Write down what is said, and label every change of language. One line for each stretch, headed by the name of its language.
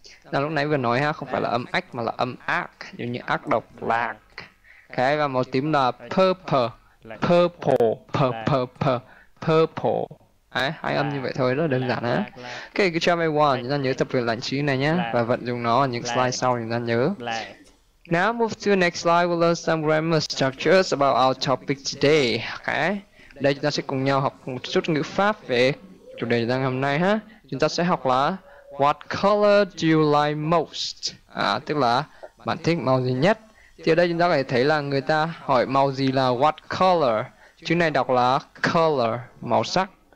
Vietnamese: Là lúc nãy vừa nói ha, không phải là âm ách mà là âm ác, giống như ác độc black. Okay, và màu tím là purple, purple, purple, purple. Đấy, hai âm như vậy thôi, rất là đơn giản á. Ok, cứ cho mày one, chúng ta nhớ tập luyện lại chữ này nhé. Và vận dụng nó ở những slide sau, chúng ta nhớ.
English: Black. Now move to the next slide, we'll learn some grammar structures about our topic today.
Vietnamese: Okay, đây chúng ta sẽ cùng nhau học một chút ngữ pháp về chủ đề đang hôm nay ha. Chúng ta sẽ học là
English: What color do you like most?
Vietnamese: À, tức là bạn thích màu gì nhất? Thì ở đây chúng ta có thể thấy là người ta hỏi màu gì là
English: what color?
Vietnamese: Chữ này đọc là color, màu sắc.